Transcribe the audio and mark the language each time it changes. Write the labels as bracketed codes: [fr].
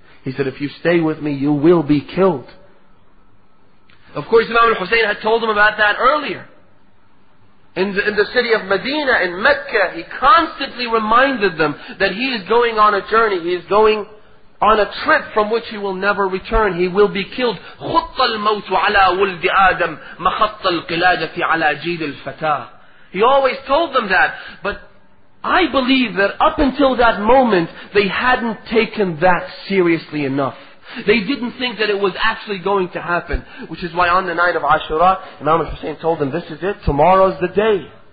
[en] He said, if you stay with me, you will be killed. Of course, Imam Hussein had told them about that earlier. In the city of Medina, in Mecca, he constantly reminded them that he is going on a journey. He is going on a trip from which he will never return. He will be killed. [ar] خط الموت على ولد آدم مخط القلادة على جيد الفتاة. [en] He always told them that. But I believe that up until that moment, they hadn't taken that seriously enough. They didn't think that it was actually going to happen. Which is why on the night of Ashura, Imam Hussein told them, this is it, tomorrow's the day.